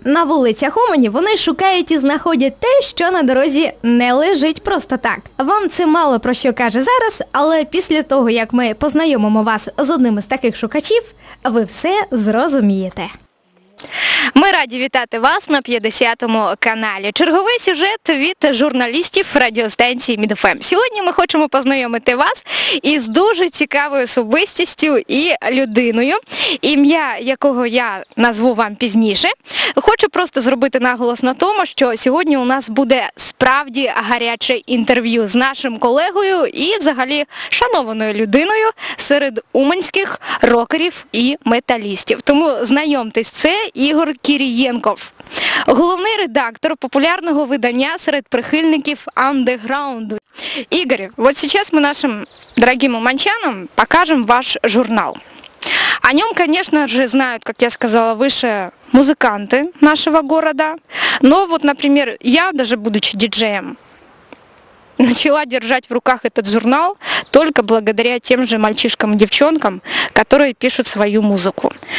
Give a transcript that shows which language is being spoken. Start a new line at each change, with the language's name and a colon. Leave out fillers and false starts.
Ukrainian: На вулицях Умані вони шукають і знаходять те, що на дорозі не лежить просто так. Вам це мало про що каже зараз, але після того, як ми познайомимо вас з одним із таких шукачів, ви все зрозумієте. Ми раді вітати вас на 50-му каналі. Черговий сюжет від журналістів радіостанції MedFM. Сьогодні ми хочемо познайомити вас із дуже цікавою особистістю і людиною, ім'я якого я назву вам пізніше. Хочу просто зробити наголос на тому, що сьогодні у нас буде справді гаряче інтерв'ю з нашим колегою і взагалі шанованою людиною серед уманських рокерів і металістів. Тому знайомтесь, це Ігор Кирієнков, головний редактор популярного видання серед прихильників андеграунду.
Russian: Ігор, вот сейчас мы нашим дорогим уманчанам покажем ваш журнал. О нем, конечно же, знают, как я сказала выше, музыканты нашего города. Но вот, например, я, даже будучи диджеем, начала держать в руках этот журнал только благодаря тем же мальчишкам и девчонкам, которые пишут свою музыку.